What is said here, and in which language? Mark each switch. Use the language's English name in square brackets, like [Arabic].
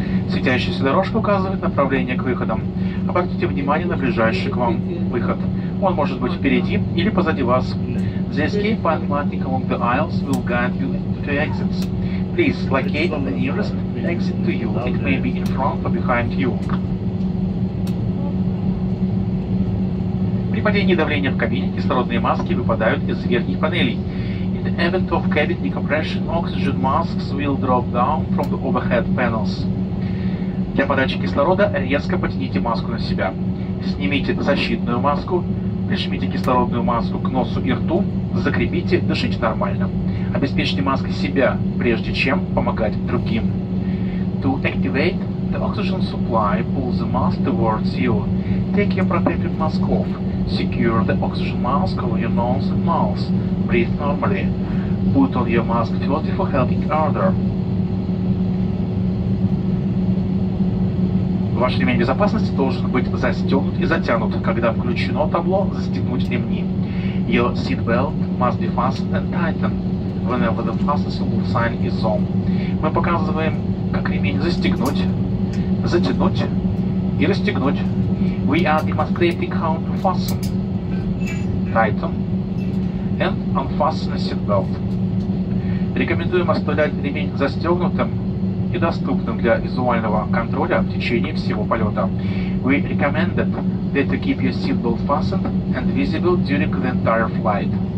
[Russian] Светящаяся дорожка указывает направление к выходам. Обратите внимание на ближайший к вам выход. Он может быть впереди или позади вас. [English] The escape by Atlantic along the aisles will guide you to exits. Please locate the nearest exit to you. It may be in front or behind you. [Russian] При падении давления в кабине кислородные маски выпадают из верхних панелей. [English] In the event of cabin decompression, oxygen masks will drop down from the overhead panels. [Russian] Для подачи кислорода резко потяните маску на себя. Снимите защитную маску, прижмите кислородную маску к носу и рту, закрепите, дышите нормально. Обеспечьте маской себя, прежде чем помогать другим. [English] To activate the oxygen supply, pull the mask towards you. Take your protective mask off. Secure the oxygen mask over your nose and mouth. Breathe normally. Put on your mask firmly for helping others. [Russian] Ваш ремень безопасности должен быть застегнут и затянут, когда включено табло «Застегнуть ремни». [English] Your seatbelt must be fastened and tightened whenever the fasten symbol sign is on. [Russian] Мы показываем, как ремень застегнуть, затянуть и расстегнуть. [English] We are demonstrating how to fasten, tighten and unfasten a seatbelt. [Russian] Рекомендуем оставлять ремень застегнутым и доступным для визуального контроля в течение всего полета. [English] We recommended that you keep your seatbelt fastened and visible during the entire flight.